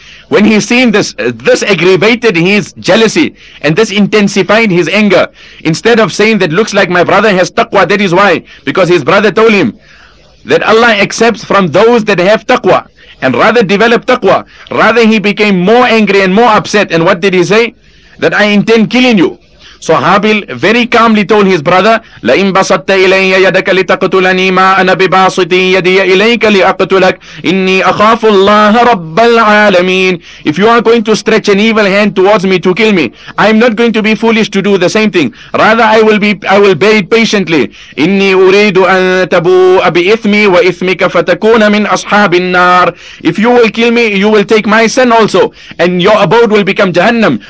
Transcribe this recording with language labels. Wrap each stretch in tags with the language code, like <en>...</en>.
<en>When he seen this aggravated his jealousy and this intensified his anger. Instead of saying that looks like my brother has taqwa, that is why. Because his brother told him that Allah accepts from those that have taqwa and rather develop taqwa. Rather he became more angry and more upset. And what did he say? That I intend killing you. So Habil very calmly told his brother,</en> <ar>لَإِن بَسَطَّ إِلَيَّ يَدَكَ لِتَقْتُلَنِي مَا أَنَا بِبَاسِطِي يَدِيَ إِلَيْكَ لِأَقْتُلَكَ إِنِّي أَخَافُ اللَّهَ رَبَّ الْعَالَمِينَ.</ar> <en>If you are going to stretch an evil hand towards me to kill me, I'm not going to be foolish to do the same thing. Rather, I will bear it patiently.</en> <ar>إِنِّي أُرِيدُ أَن تَبُوءَ بِإِثْمِي وَإِثْمِكَ فَتَكُونَ مِنْ أَصْحَابِ النَّارِ.</ar> <en>If you will kill me, you will take my sin also, and your abode will become Jahannam.</en>